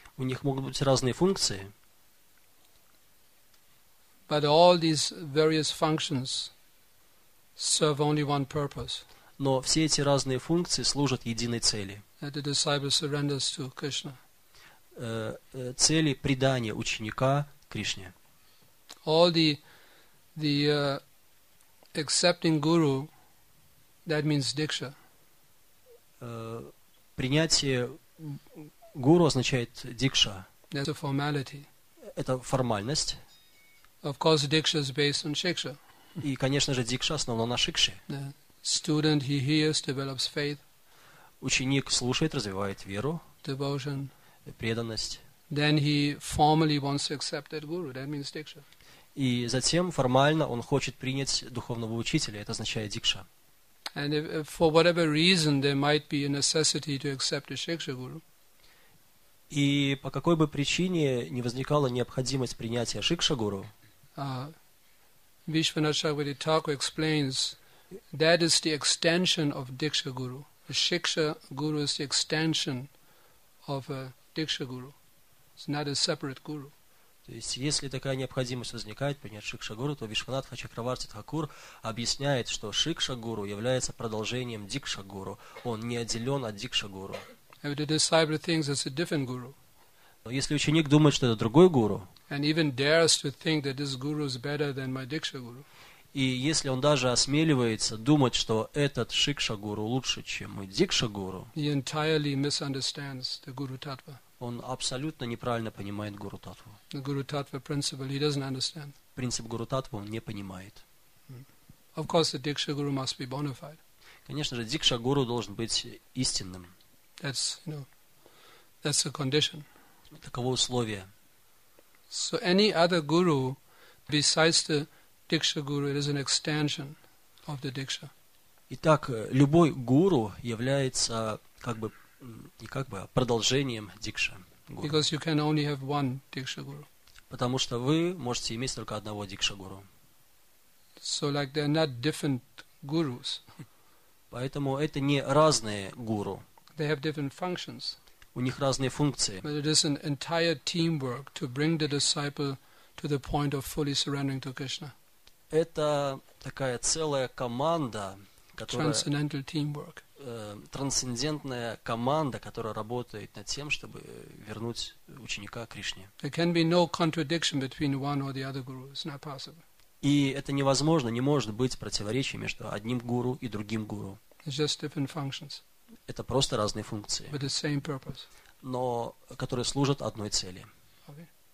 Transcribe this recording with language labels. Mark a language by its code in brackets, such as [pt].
[ru] У них могут быть разные функции. [en] But all these various functions serve only one purpose. [ru] Но все эти разные функции служат единой цели. [en] That the disciple surrenders to Krishna. [ru] Цели предания ученика Кришне. [en] All the accepting guru, that means diksha. [ru] Принятие гуру означает дикша. [en] That's a formality. [ru] Это формальность. [en] Of course, diksha is based on shiksha. [ru] И, конечно же, дикша основана на шикше. [en] The student, he hears, develops faith. [ru] Ученик слушает, развивает веру. [en] Devotion. [ru] Преданность. [en] Then he formally wants to accept that guru. That means diksha. [ru] И затем формально он хочет принять духовного учителя. Это означает дикша. [en] And if for whatever reason there might be a necessity to accept a shiksha guru. [ru] И по какой бы причине не возникала необходимость принятия шикша гуру. [en] Vishwanath Chakravarti Thakur explains that is the extension of diksha guru. The shiksha guru is the extension of a Diksha guru. It's not a separate guru. [ru] То есть, если такая необходимость возникает, принять шикша гуру, то Вишванатха Чакраварти Тхакур объясняет, что шикша гуру является продолжением дикша гуру. Он не отделен от дикша гуру. [en] If the disciple thinks it's a different guru. [ru] Но если ученик думает, что это другой гуру. [en] And even dares to think that this guru is better than my diksha guru. [ru] И если он даже осмеливается думать, что этот шикша-гуру лучше, чем мой дикша-гуру, [en] he entirely misunderstands the guru tattva. [ru] Он абсолютно неправильно понимает гуру-таттву. [en] The guru tattva principle he doesn't understand. [ru] Принцип гуру-таттву он не понимает. [en] Of course, the diksha-guru must be bona fide. [ru] Конечно же, дикша-гуру должен быть истинным. [en] That's, you know, that's a condition. [ru] Таково условие. [en] So any other guru besides the Diksha guru, it is an extension of the diksha. [ru] Итак, любой гуру является как бы не как бы, а продолжением дикша гуру. [en] Because you can only have one diksha guru. [ru] Потому что вы можете иметь только одного дикша гуру. [en] So like they are not different gurus. [ru] Поэтому это не разные гуру. [en] They have different functions. [ru] У них разные функции. [en] But it is an entire teamwork to bring the disciple to the point of fully surrendering to Krishna. [ru] Это такая целая команда, которая, [en] transcendental teamwork. [ru] трансцендентная команда, которая работает над тем, чтобы вернуть ученика Кришне. [en] There can be no contradiction between one or the other guru. It's not possible. [ru] И это невозможно, не может быть противоречия между одним гуру и другим гуру. [en] It's just different functions. [ru] Это просто разные функции. [en] But the same purpose. [ru] Но которые служат одной цели. [en] Okay.